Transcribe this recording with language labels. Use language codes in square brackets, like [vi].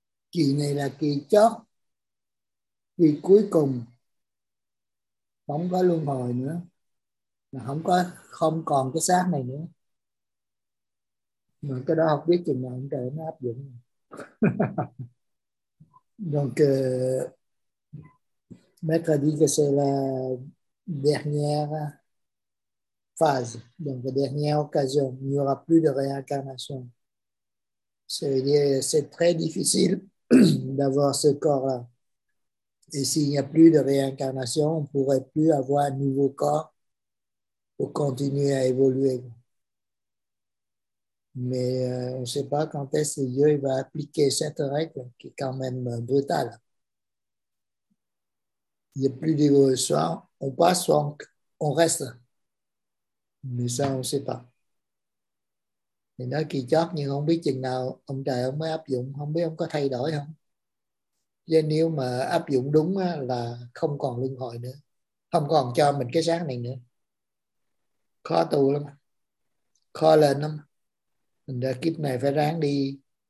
[vi] Kỳ này là kỳ chót, kỳ cuối cùng không có luân hồi nữa, mà không có không còn cái xác này nữa, mà cái đó không biết chừng nào ông trời nó áp dụng. [fr] Donc Mercredi, que c'est la dernière phase, donc la dernière occasion. Il n'y aura plus de réincarnation. C'est très difficile d'avoir ce corps-là. Et s'il n'y a plus de réincarnation, on ne pourrait plus avoir un nouveau corps pour continuer à évoluer. Mais on ne sait pas quand est-ce que Dieu va appliquer cette règle qui est quand même brutale. Il n'y a plus d'évolution, on passe, soit on reste. Mais ça, on ne sait pas. [vi] Thì nó kỳ chót nhưng không biết chừng nào ông trời ông mới áp dụng, không biết ông có thay đổi không. Chứ nếu mà áp dụng đúng là không còn luân hồi nữa, không còn cho mình cái xác này nữa. Khó tu lắm, khó lên lắm. Mình đã kiếp này phải ráng đi.